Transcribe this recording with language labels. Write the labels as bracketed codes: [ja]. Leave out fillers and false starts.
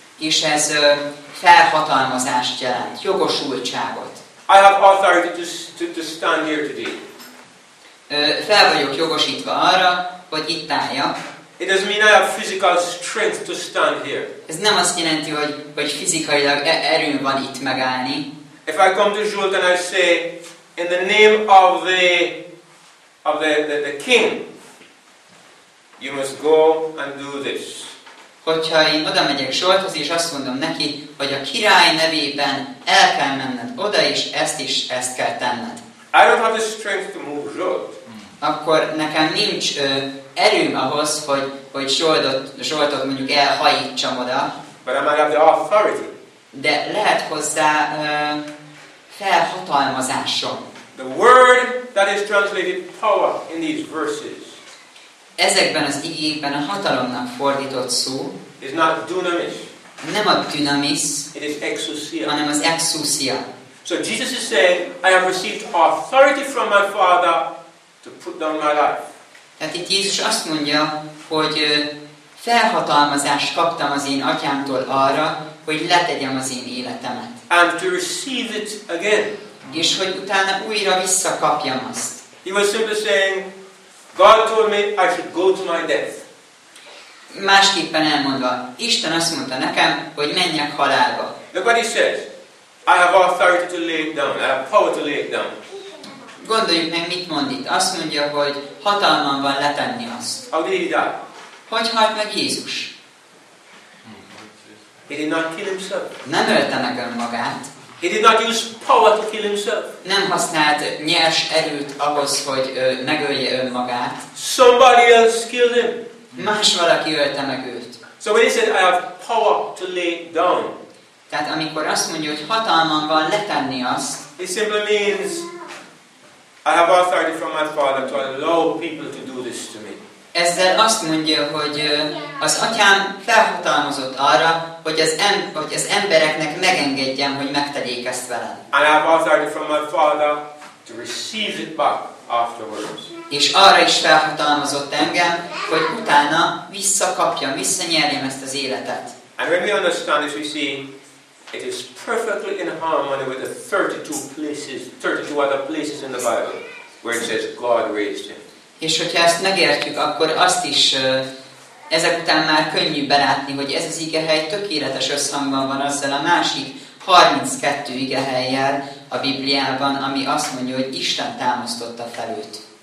[hu] És ez felhatalmazást jelent, jogosultságot. [en] I have authority to stand here today. [hu] Fel vagyok jogosítva arra, hogy itt álljak. [en] It doesn't mean I have physical strength to stand here. [hu] Ez nem azt jelenti, hogy fizikailag erőm van itt megállni. [en] If I come to Zsolt and I say, in the name of the king, you must go and do this. [hu] Hogyha én oda megyek Zsolthoz, és azt mondom neki, hogy a király nevében el kell menned oda, és ezt kell tenned. [en] I don't have the strength to move Zsolt. [hu] Akkor nekem nincs erőm ahhoz, hogy Zsoltot mondjuk elhajítsam oda. [en] But I might have the authority. [hu] De lehet hozzá felhatalmazásom. [en] The word that is translated power in these verses. [hu] Ezekben az igékben a hatalomnak fordított szó. [en] Is not dynamis. [hu] Nem a dynamis. [en] It is exousia. [hu] Hanem az exousia. [en] So Jesus is saying, I have received authority from my Father to put down my life. [hu] Tehát itt Jézus azt mondja, hogy felhatalmazást kaptam az én atyámtól arra, hogy letegyem az én életemet. [en] And to receive it again. [hu] És hogy utána újra visszakapjam azt. [en] He was simply saying, God told me I should go to my death. [hu] Másképpen elmondva, Isten azt mondta nekem, hogy menjek halálba. [en] Look what he says. I have authority to lay it down. I have power to lay it down. [hu] Gondoljuk meg, mit mond itt. Azt mondja, hogy hatalmam van letenni azt. [en] How did he die? [hu] Hogy halt meg Jézus? [en] He did not kill himself. [hu] Nem ölte meg önmagát. [en] He did not use power to kill himself. [hu] Nem használt nyers erőt ahhoz, hogy megölje önmagát. [en] Somebody else killed him. [hu] Más valaki ölte meg őt. [en] So when he said, I have power to lay down. [hu] Tehát amikor azt mondja, hogy hatalmam van letenni azt. [en] It simply means, I have authority from my Father to allow people to do this to me. [hu] Ezzel azt mondja, hogy az atyám felhatalmazott arra, hogy az embereknek megengedjem, hogy megtegyék ezt velem. [en] And I have authority from my Father to receive it back afterwards. [hu] És arra is felhatalmazott engem, hogy utána visszakapjam, visszanyerjem ezt az életet. [en] And when we understand this, we see it is perfectly in harmony with the 32 places, 32 other places in the Bible, where it says God raised him. [hu] És hogyha ezt megértjük, akkor azt is ezek után már könnyű belátni, hogy ez az igehely tökéletes összhangban van azzal a másik 32 igehelyjel a Bibliában, ami azt mondja, hogy Isten támasztotta fel őt.